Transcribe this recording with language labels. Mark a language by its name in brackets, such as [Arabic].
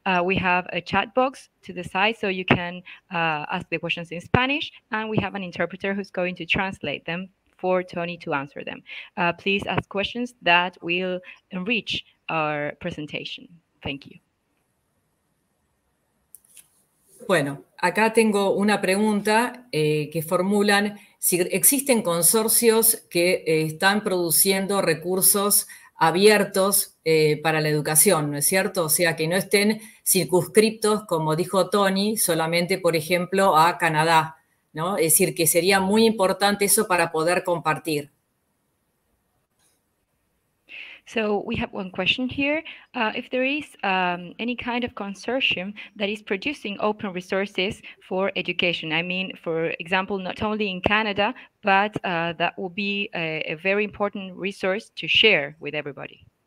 [English] We have a chat box to the side, so you can ask the questions in Spanish, and we have an interpreter who's going to translate them for Tony to answer them. Please ask questions that will enrich our presentation. Thank you. [Spanish] Bueno, acá tengo una pregunta que formulan si existen consorcios que están produciendo recursos abiertos para la educación, ¿no es cierto? O sea, que no estén circunscriptos, como dijo Tony, solamente, por ejemplo, a Canadá, ¿no? Es decir, que sería muy importante eso para poder compartir. [English] So we have one question here. If there is any kind of consortium that is producing open resources for education, I mean, for example, not only in Canada, but that will be a very important resource to share with everybody.